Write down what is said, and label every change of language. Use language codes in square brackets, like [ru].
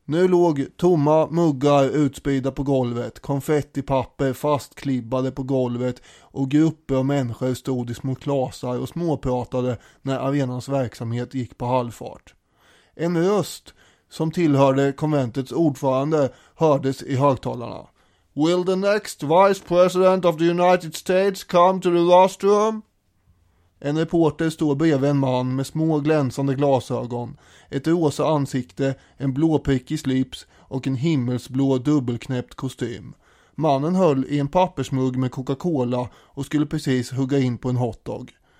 [sv] Nu låg tomma muggar utspridda på golvet, konfettipapper fastklibbade på golvet och grupper av människor stod i små klasar och småpratade när arenans verksamhet gick på halvfart. En röst som tillhörde konventets ordförande hördes i högtalarna. [en] Will the next vice president of the United States come to the rostrum? [sv] En reporter står bredvid en man med små glänsande glasögon, ett rosa ansikte, en blåprickig slips och en himmelsblå dubbelknäppt kostym. Mannen höll i en pappersmugg med Coca-Cola och skulle precis hugga in på en hotdog.